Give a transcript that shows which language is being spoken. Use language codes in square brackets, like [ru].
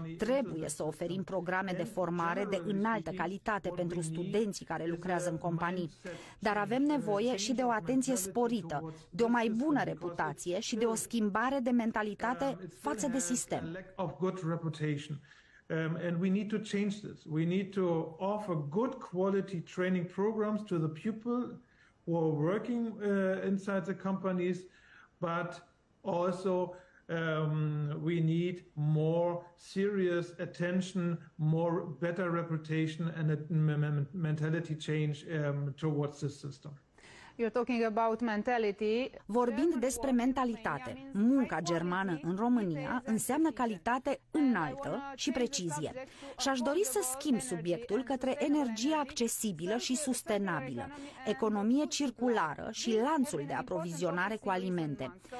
[ro] Trebuie să oferim programe de formare de înaltă calitate pentru studenții care lucrează în companii. Dar avem nevoie și de o atenție sporită, de o mai bună reputație și de o schimbare de mentalitate față de sistem. [en] And we need to change this. We need to offer good quality training programs to the people who are working inside the companies, but also we need more serious attention, more better reputation and a mentality change towards the system. You're talking about mentality. [ro] Vorbind despre mentalitate, munca germană în România înseamnă calitate înaltă și precizie. Și aș dori să schimb subiectul către energia accesibilă și sustenabilă, economie circulară și lanțul de aprovizionare cu alimente.